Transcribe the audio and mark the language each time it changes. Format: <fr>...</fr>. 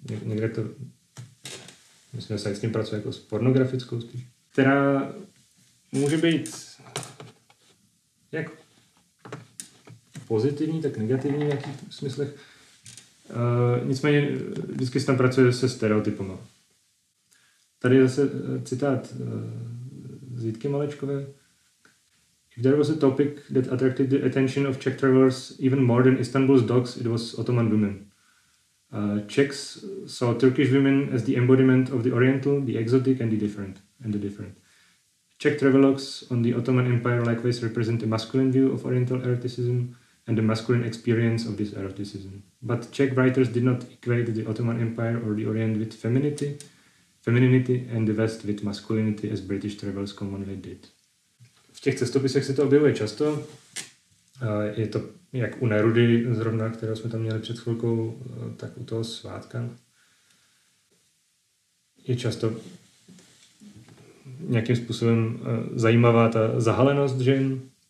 <cs>někde to, myslím, se s tím pracuje jako s pornografickou spíš, která může být jak pozitivní, tak negativní v nějakých smyslech. Nicméně vždycky se tam pracuje se stereotypama. Tady je zase citát z Jitky Malečkové.</cs> <en>If there was a topic that attracted the attention of Czech travelers even more than Istanbul's dogs, it was Ottoman women. Czechs saw Turkish women as the embodiment of the Oriental, the exotic and the different. Czech travelogues on the Ottoman Empire likewise represent a masculine view of Oriental eroticism and the masculine experience of this eroticism. But Czech writers did not equate the Ottoman Empire or the Orient with femininity and the West with masculinity as British travelers commonly did.</en> <cs>V těch cestopisech se to objevuje často. Je to jak u Nerudy zrovna, kterého jsme tam měli před chvilkou, tak u toho Svátka. Je často nějakým způsobem zajímavá ta zahalenost žen.</cs>